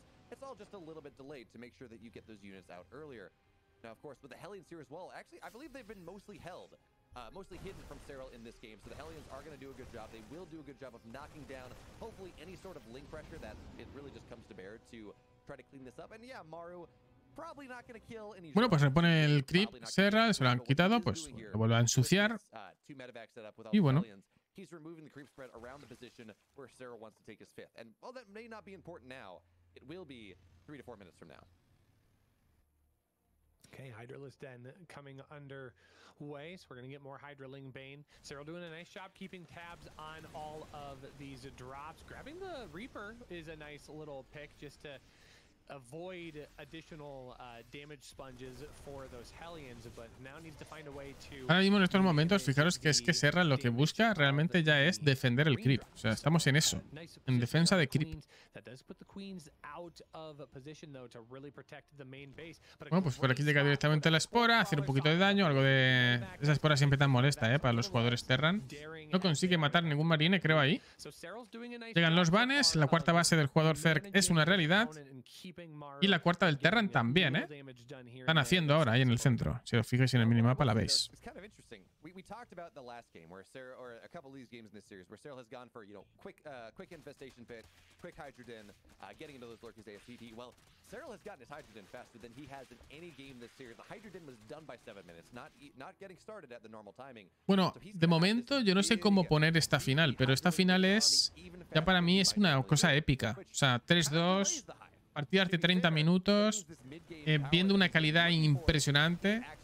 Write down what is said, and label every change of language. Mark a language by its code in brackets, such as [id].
[en] It's all just a little bit delayed to make sure that you get those units out earlier. Now, of course, with the Hellions here as well, actually, I believe they've been mostly held. Mostly hidden from Cyril in this game, so the Hellions are going to do a good job. They will do a good job of knocking down, hopefully, any sort of link pressure that it really just comes to bear to try to clean this up. And yeah, Maru probably not going to kill any. [es] Bueno, pues se pone el creep, Cyril, se lo han quitado, pues lo vuelve a ensuciar. Y bueno. [en] He's removing the creep spread around the position where Cyril wants to take his fifth. And while that may not be important now, it will be 3 to 4 minutes from now. Okay, Hydralis Den coming under way, so we're going to get more Hydraling Bane. Cyril doing a nice job keeping tabs on all of these drops. Grabbing the Reaper is a nice little pick just to avoid additional damage sponges for those Hellions, but now needs to find a way to... [es] Ahora mismo en estos momentos, fijaros que es que Serra lo que busca realmente ya es defender el creep. O sea, estamos en eso, en defensa de creep. [en] That does put the queens out of position though to really protect the main base. [es] Bueno, pues por aquí llega directamente la espora, hacer un poquito de daño, algo de... Esa espora siempre tan molesta, para los jugadores Terran. No consigue matar ningún marine, creo ahí. Llegan los banes, la cuarta base del jugador Zerg es una realidad. Y la cuarta del Terran también, Están haciendo ahora ahí en el centro. Si os fijáis en el minimapa, la veis. [en] We talked about the last game where Cyril, or a couple of these games in this series, where Cyril has gone for, you know, quick infestation pit, quick Hydroden, getting into those Lurkers AFTT. Well, Cyril has gotten his Hydroden faster than he has in any game this series. The Hydroden was done by 7 minutes, not getting started at the normal timing. [es] Bueno, de momento yo no sé cómo poner esta final, pero esta final es, ya para mí es una cosa épica. O sea, 3-2, partida de 30 minutos, viendo una calidad impresionante.